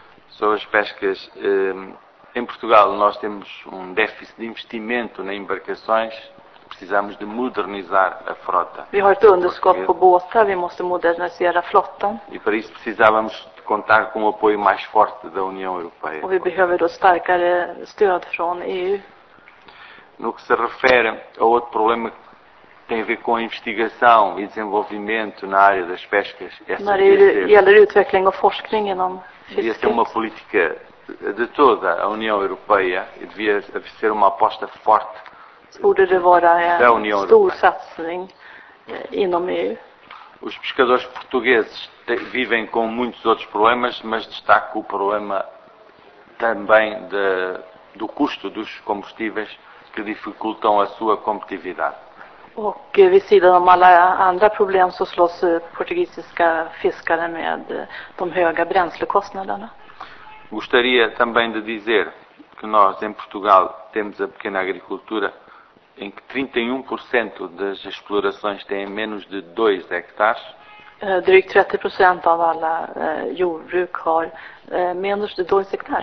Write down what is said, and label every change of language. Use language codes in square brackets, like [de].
[pt] Sobre as pescas, em Portugal nós temos um déficit de investimento em embarcações. Precisamos de modernizar a frota. [sv] Vi har ett underskott på båtar, vi måste modernisera flottan. [pt] E para isso precisávamos contar com o apoio mais forte da União Europeia. [sv] Och vi behöver då starkare stöd från EU. [pt] No que se refere a outro problema que tem a ver com a investigação e desenvolvimento na área das pescas, [sv] när det gäller utveckling och forskning inom fisket. [pt] Devia ser uma política de toda a União Europeia e devia ser uma aposta forte. [sv] Borde det vara en stor satsning inom EU. [pt] Os pescadores portugueses vivem com muitos outros problemas, mas destaco o problema também do custo dos combustíveis que dificultam a sua competitividade. [sv] Och vid sidan om alla andra problem så slåss portugisiska fiskare med de höga bränslekostnaderna. [pt] Gostaria também de dizer que nós em Portugal temos a pequena agricultura em que 31% das explorações têm menos de 2 hectares. [sv] Drygt 30% av alla jordbruk har [pt] menos de 2 hectares.